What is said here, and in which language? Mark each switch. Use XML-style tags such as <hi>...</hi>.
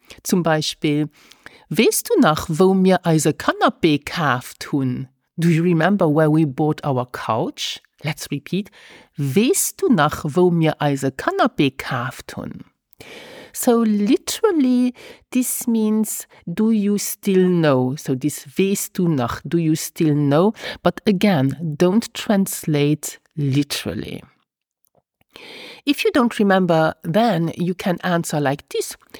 <de>Zum Beispiel, weißt du noch, wo wir unser Kanapé gekauft haben?</de> <en>Do you remember where we bought our couch? Let's repeat.</en> <de>Weißt du noch, wo wir unser Kanapé gekauft haben?</de> <en>So literally, this means, do you still know? So this,</en> <de>weißt du noch,</de> <en>do you still know? But again, don't translate literally. If you don't remember, then you can answer like this.</en>